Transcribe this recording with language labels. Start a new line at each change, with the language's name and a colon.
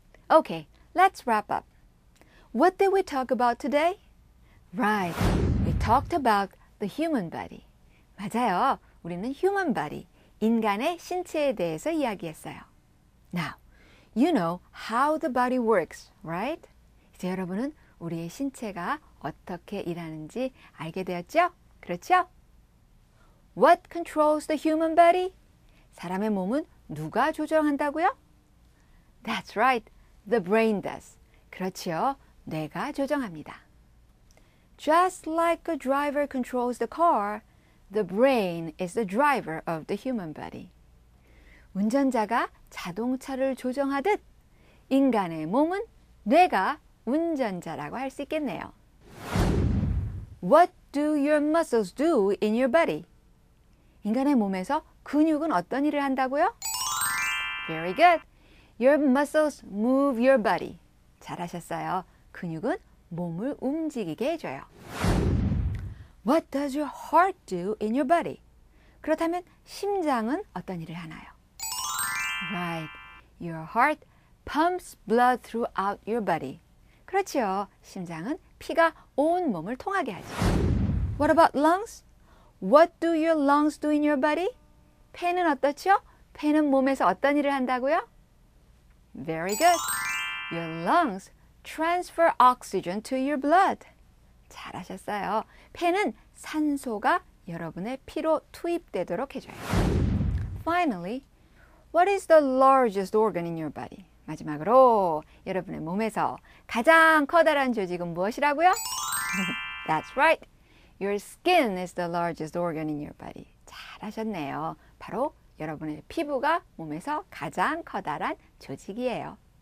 English: Okay, let's wrap up. What did we talk about today? Right, we talked about the human body.
Korean: 맞아요, 우리는 human body, 인간의 신체에 대해서 이야기했어요.
English: Now, you know how the body works, right?
Korean: 이제 여러분은 우리의 신체가 어떻게 일하는지 알게 되었죠? 그렇죠?
English: What controls the human body?
Korean: 사람의 몸은 누가 조절한다고요?
English: That's right. The brain does.
Korean: 그렇죠. 뇌가 조정합니다.
English: Just like a driver controls the car, the brain is the driver of the human body.
Korean: 운전자가 자동차를 조정하듯 인간의 몸은 뇌가 운전자라고 할 수 있겠네요.
English: What do your muscles do in your body?
Korean: 인간의 몸에서 근육은 어떤 일을 한다고요?
English: Very good. Your muscles move your body.
Korean: 잘하셨어요. 근육은 몸을 움직이게 해줘요.
English: What does your heart do in your body?
Korean: 그렇다면 심장은 어떤 일을 하나요?
English: Right. Your heart pumps blood throughout your body.
Korean: 그렇죠. 심장은 피가 온 몸을 통하게 하죠.
English: What about lungs? What do your lungs do in your body?
Korean: 폐는 어떻죠? 폐는 몸에서 어떤 일을 한다고요?
English: Very good. Your lungs transfer oxygen to your blood.
Korean: 잘하셨어요. 폐는 산소가 여러분의 피로 투입되도록 해줘요.
English: Finally, what is the largest organ in your body?
Korean: 마지막으로 여러분의 몸에서 가장 커다란 조직은 무엇이라고요?
English: That's right. Your skin is the largest organ in your body.
Korean: 잘하셨네요. 바로 여러분의 피부가 몸에서 가장 커다란 조직이에요.